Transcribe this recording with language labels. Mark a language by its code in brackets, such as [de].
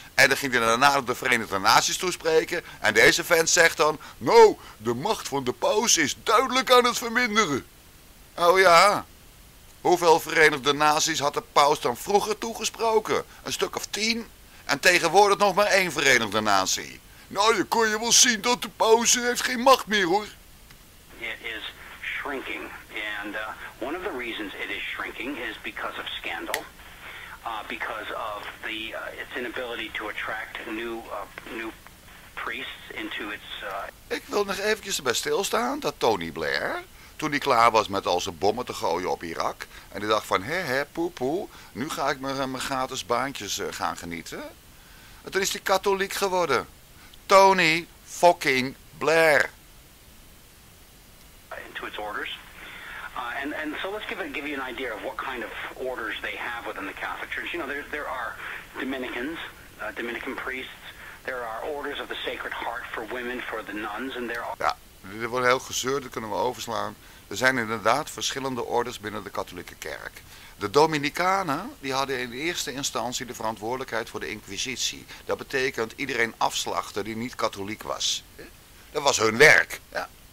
[nl] En dan ging hij daarna op de Verenigde Naties toespreken. En deze vent zegt dan, nou, de macht van de paus is duidelijk aan het verminderen. Oh ja. Hoeveel Verenigde Naties had de paus dan vroeger toegesproken? Een stuk of 10? En tegenwoordig nog maar 1 Verenigde Natie. Nou, dan kon je wel zien dat de pauze heeft geen macht meer, hoor. [en] It is shrinking. And one of the reasons it is shrinking is because of scandal. Because of the its inability to attract new new priests into its... [nl] Ik wil nog eventjes erbij stilstaan dat Tony Blair, toen hij klaar was met al zijn bommen te gooien op Irak, en die dacht van, poepoe, nu ga ik mijn gratis baantjes gaan genieten. En toen is hij katholiek geworden. Tony fucking Blair. [en] Into its orders. And so let's give you an idea of what kind of orders they have within the Catholic Church. You know, there are Dominicans, Dominican priests. There are orders of the Sacred Heart for women, for the nuns, and there are... [nl] Ja, dit wordt heel gezeur, dat kunnen we overslaan. Er zijn inderdaad verschillende orders binnen de katholieke kerk. De Dominicanen, die hadden in eerste instantie de verantwoordelijkheid voor de inquisitie. Dat betekent iedereen afslachten die niet katholiek was. Dat was hun werk. Ja.